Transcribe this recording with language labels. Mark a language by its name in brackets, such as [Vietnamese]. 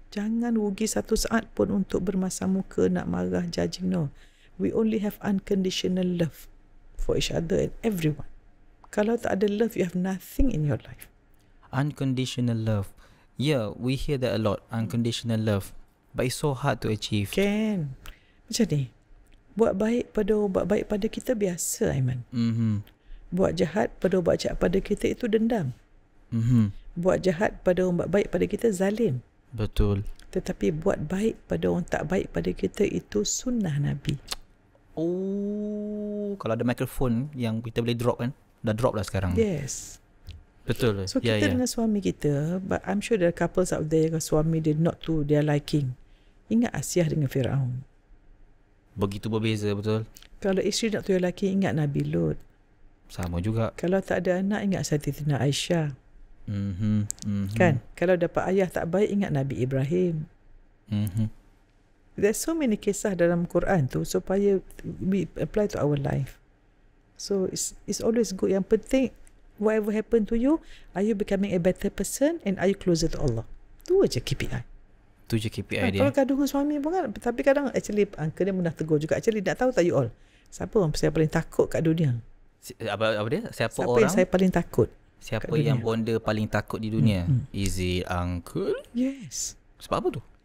[Malay] jangan rugi satu saat pun untuk bermasam muka, nak marah, judging, no. [English] We only have unconditional love for each other and everyone. [Malay] Kalau tak ada [English] love, you have nothing in your life. Unconditional love. Yeah, we hear that a lot, unconditional love. But it's so hard to achieve. Can. [Malay] Macam ni, buat baik pada buat baik pada kita biasa, Aiman. Mm-hmm. Buat jahat pada buat jahat pada kita itu dendam. Mm-hmm. Buat jahat pada orang buat baik pada kita zalim. Betul. Tetapi buat baik pada orang tak baik pada kita itu sunnah Nabi. Oh, kalau ada mikrofon yang kita boleh drop kan? Dah drop lah sekarang. [English] Yes. [Malay] Betul. [English] So [Malay] kita dengan suami kita, [English] but I'm sure there are couples out there [Malay] yang suami dia [English] not to their liking. [Malay] Ingat Asiah dengan Firaun. Begitu berbeza, betul. Kalau isteri [English] not to your liking, [Malay] ingat Nabi Lut. Sama juga. Kalau tak ada anak, ingat Saidatina Aisyah. Mm-hmm, mm-hmm. Kan? Kalau dapat ayah tak baik, ingat Nabi Ibrahim. Mm-hmm. [English] There's so many [Malay] kisah dalam Quran tu supaya [English] we apply to our life. So it's always good. [Malay] Yang penting, [English] whatever happen to you, are you becoming a better person and are you closer to Allah? [Malay] Tu aja KPI. Tu je KPI dia. Kalau gaduh dengan suami pun kan. Tapi kadang actually uncle dia pernah tegur juga. Actually nak tahu tak you all? Siapa orang saya paling takut kat dunia? Apa dia? Siapa orang? Siapa yang saya paling takut? Siapa yang bonda paling takut di dunia? Mm-hmm. [English] Is it uncle? Yes. [Malay] Sebab apa tu?